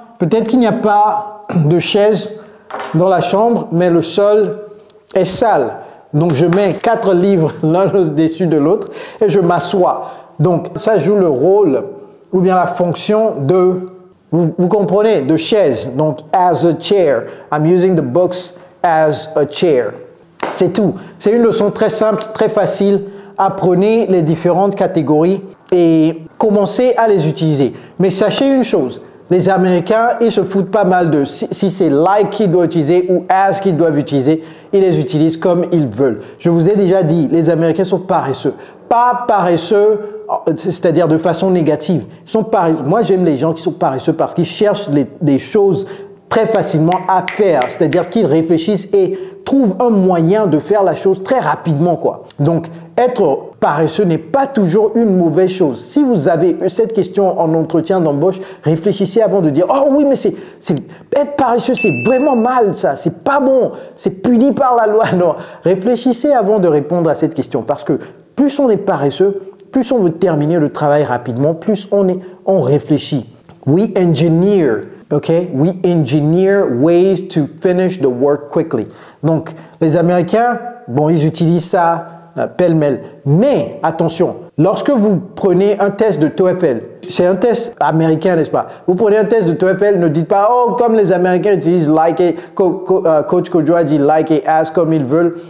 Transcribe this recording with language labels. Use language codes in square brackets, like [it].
[fr] Peut-être qu'il n'y a pas de chaise dans la chambre, mais le sol est sale. Donc je mets 4 livres l'un au-dessus de l'autre et je m'assois. Donc ça joue le rôle ou bien la fonction de, vous comprenez, de chaise. [en] Donc as a chair, I'm using the books as a chair. [fr] C'est tout. C'est une leçon très simple, très facile. Apprenez les différentes catégories et commencez à les utiliser. Mais sachez une chose, les Américains, ils se foutent pas mal de si c'est like qu'ils doivent utiliser ou as qu'ils doivent utiliser, ils les utilisent comme ils veulent. Je vous ai déjà dit, les Américains sont paresseux. Pas paresseux, c'est-à-dire de façon négative. Ils sont paresseux. Moi, j'aime les gens qui sont paresseux parce qu'ils cherchent des choses très facilement à faire, c'est-à-dire qu'ils réfléchissent et trouve un moyen de faire la chose très rapidement, quoi. Donc, être paresseux n'est pas toujours une mauvaise chose. Si vous avez cette question en entretien d'embauche, réfléchissez avant de dire, oh oui, mais c'est être paresseux, c'est vraiment mal, ça. C'est pas bon. C'est puni par la loi. Non. Réfléchissez avant de répondre à cette question. Parce que plus on est paresseux, plus on veut terminer le travail rapidement, plus on réfléchit. [en] We engineer. Okay, we engineer ways to finish the work quickly. [fr] Donc, les Américains, bon, ils utilisent ça pêle-mêle. Mais attention, lorsque vous prenez un test de TOEFL, c'est un test américain, n'est-ce pas? Vous prenez un test de TOEFL, ne dites pas, oh, comme les Américains utilisent like et coach Kojoa dit like et as comme ils veulent.